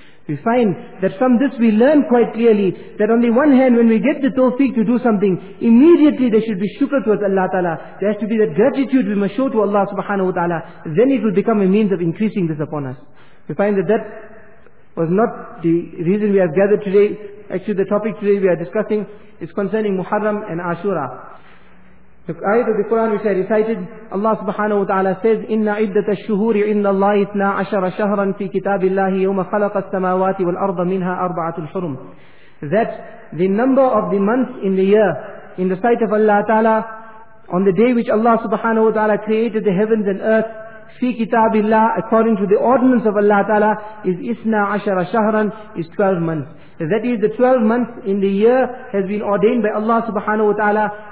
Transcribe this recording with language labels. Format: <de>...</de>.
<en>We find that from this we learn quite clearly that on the one hand, when we get the tawfiq to do something, immediately there should be shukr towards Allah Ta'ala. There has to be that gratitude we must show to Allah Subhanahu Wa Ta'ala. Then it will become a means of increasing this upon us. We find that that was not the reason we have gathered today. Actually, the topic today we are discussing is concerning Muharram and Ashura. The ayat of the Quran which I recited, Allah Subhanahu Wa Ta'ala says,</en> <ar>إِنَّ عِدَّةَ الشُّهُورِ عِنَّ اللَّهِ إِثْنَا عَشَرَ شَهْرًا فِي كِتَابِ اللَّهِ يَوْمَ خَلَقَ السَّمَاوَاتِ وَالْأَرْضَ مِنْهَا أَرْبَعَةُ الْحُرُمِ.</ar> <en>That the number of the months in the year, in the sight of Allah Ta'ala, on the day which Allah Subhanahu Wa Ta'ala created the heavens and earth, fi kitabillah, according to the ordinance of Allah Ta'ala, is isna ashara shahran, is 12 months. That is, the 12 months in the year has been ordained by Allah Subhanahu Wa Ta'ala.</en>